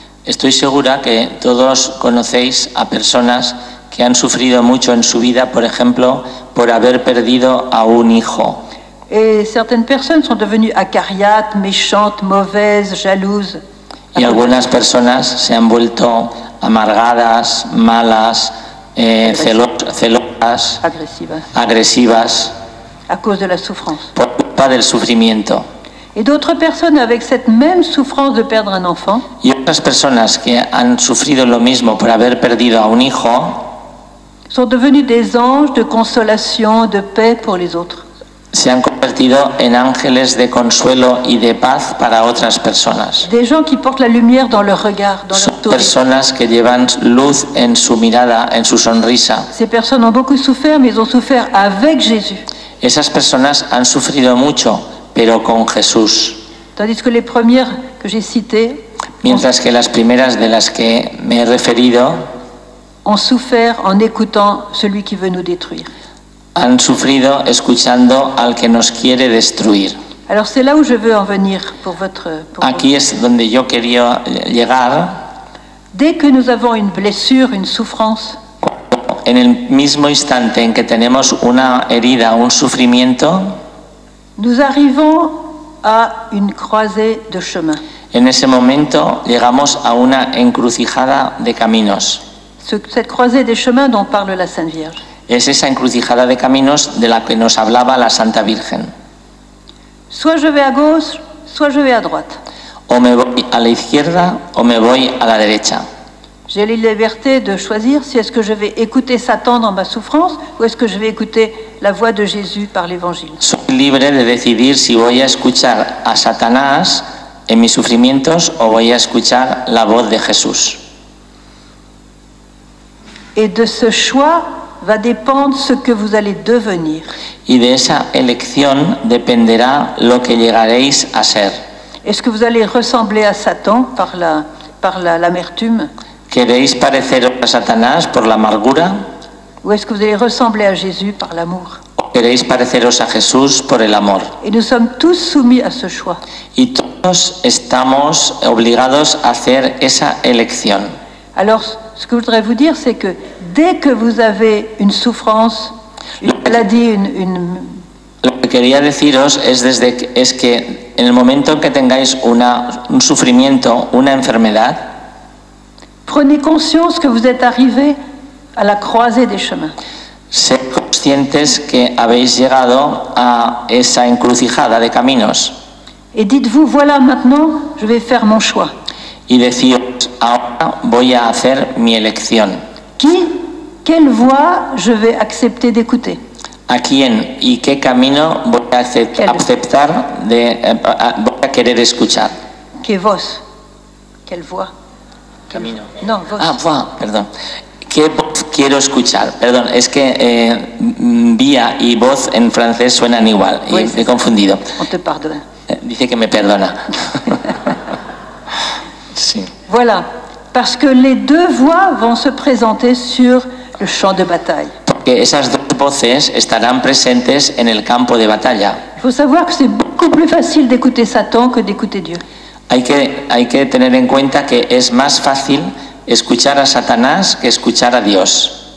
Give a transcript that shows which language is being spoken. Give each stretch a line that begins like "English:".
Spanish: Estoy segura que todos conocéis a personas que han sufrido mucho en su vida, por ejemplo, por haber perdido a un hijo.
French: Et certaines personnes sont devenues acariates, méchantes, mauvaises, jalouses.
Spanish: Y algunas personas se han vuelto amargadas, malas, celosas, agresivas.
French: À cause de la souffrance.
Spanish: Por culpa del sufrimiento.
French: Et d'autres personnes avec cette même souffrance de perdre un enfant.
Spanish: Y otras personas que han sufrido lo mismo por haber perdido a un hijo.
French: Sont devenus des anges de consolation, de paix pour les autres.
Spanish: Se han convertido en ángeles de consuelo y de paz para otras personas.
French: Des gens qui portent la lumière dans leur regard, dans leur sourire.
Spanish: Personas que llevan luz en su mirada, en su sonrisa.
French: Ces personnes ont beaucoup souffert, mais ils ont souffert avec Jésus.
Spanish: Esas personas han sufrido mucho, pero con Jesús.
French: Tandis que les premières que j'ai citées.
Spanish: Mientras que las primeras de las que me he referido.
French: Ont souffert en écoutant celui qui veut nous détruire.
Spanish: Han sufrido escuchando al que nos quiere destruir.
French: Alors c'est là où je veux en venir pour votre. Pour
Spanish: aquí
French: vous.
Spanish: Es donde yo quería llegar.
French: Dès que nous avons une blessure, une souffrance.
Spanish: En el mismo instante en que tenemos una herida, un sufrimiento.
French: Nous arrivons à une croisée de chemin.
Spanish: En ese momento llegamos a una encrucijada de caminos.
French: Cette croisée des chemins dont parle la Sainte Vierge.
Spanish: Es esa encrucijada de caminos de la que nos hablaba la Santa Virgen.
French: Soit je vais à gauche, soit je vais à droite.
Spanish: O me voy a la izquierda o me voy a la derecha.
French: J'ai la liberté de choisir si est-ce que je vais écouter Satan dans ma souffrance ou est-ce que je vais écouter la voix de Jésus par l'Évangile.
Spanish: Soy libre de decidir si voy a escuchar a Satanás en mis sufrimientos o voy a escuchar la voz de Jesús.
French: Et de ce choix va dépendre ce que vous allez devenir.
Spanish: Y de esa elección dependerá lo que llegaréis a ser.
French: Est-ce que vous allez ressembler à Satan par l'amertume?
Spanish: ¿Queréis parecer a Satanás por la amargura?
French: Ou est-ce que vous allez ressembler à Jésus par l'amour?
Spanish: ¿Queréis pareceros a Jesús por el amor?
French: Et nous sommes tous soumis à ce choix.
Spanish: Y todos estamos obligados a hacer esa elección.
French: Alors, ce que je voudrais vous dire, c'est que dès que vous avez une souffrance, une maladie, une...
Spanish: Lo que quería deciros es que en el momento que tengáis un sufrimiento, una enfermedad,
French: prenez conscience que vous êtes arrivé à la croisée des chemins.
Spanish: Ser conscientes que habéis llegado a esa encrucijada de caminos.
French: Et dites-vous, voilà maintenant, je vais faire mon choix.
Spanish: Y deciros, ahora voy a hacer mi elección.
French: Quelle voix je vais accepter d'écouter?
Spanish: ¿A quién y qué camino voy a aceptar de voy a querer escuchar? ¿Qué voz?
French: ¿Quelle voix?
Spanish: Camino. No, voz. Ah, voix, perdón. ¿Qué voz quiero escuchar? Perdón, es que vía y voz en francés suenan igual. Oui, y me he confundido.
French: On te pardonne.
Spanish: Dice que me perdona. Sí.
French: Voilà. Parce que les deux voix vont se présenter sur le champ de bataille.
Spanish: Porque esas dos voces estarán presentes en el campo de batalla.
French: Il faut savoir que c'est beaucoup plus facile d'écouter Satan que d'écouter Dieu.
Spanish: Hay que tener en cuenta que es más fácil escuchar a Satanás que escuchar a Dios.